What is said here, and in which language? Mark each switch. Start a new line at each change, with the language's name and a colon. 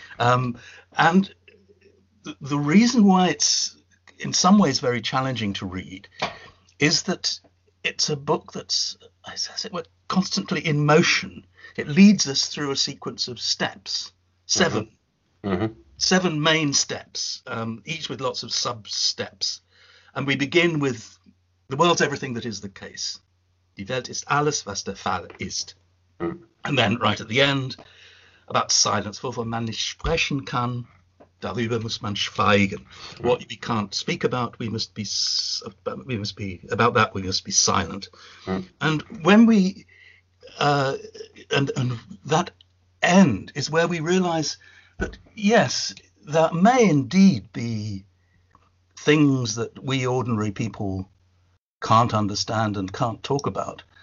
English: And the reason why it's in some ways very challenging to read is that it's a book that's, as it were, constantly in motion. It leads us through a sequence of steps, seven, seven main steps, each with lots of sub steps. And we begin with the world's everything that is the case.
German: Die Welt ist alles, was der Fall ist.
English: And then right at the end, about silence.
German: Wovon man nicht sprechen kann, darüber muss man schweigen.
English: What we can't speak about, we must be silent. And when we, and that end is where we realize that, yes, there may indeed be things that we ordinary people can't understand and can't talk about.